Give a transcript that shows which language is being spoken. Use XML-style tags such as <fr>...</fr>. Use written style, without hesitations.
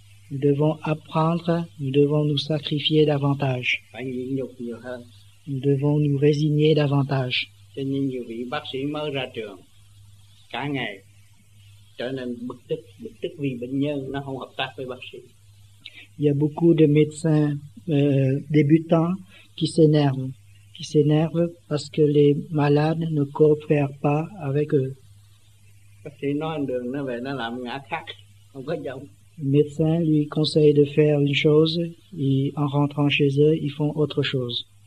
<fr>Nous devons apprendre, nous devons nous sacrifier davantage.</fr> <vi>Phải nhịn nhục nhiều hơn.</vi> <fr>Nous devons nous résigner davantage.</fr> <vi>Cho nên nhiều vị bác sĩ mới ra trường, cả ngày trở nên bực tức vì bệnh nhân nó không hợp tác với bác sĩ.</vi> <fr>Il y a beaucoup de médecins débutants qui s'énervent parce que les malades ne coopèrent pas avec eux. Le médecin lui conseille de faire une chose et en rentrant chez eux, ils font autre chose.</fr>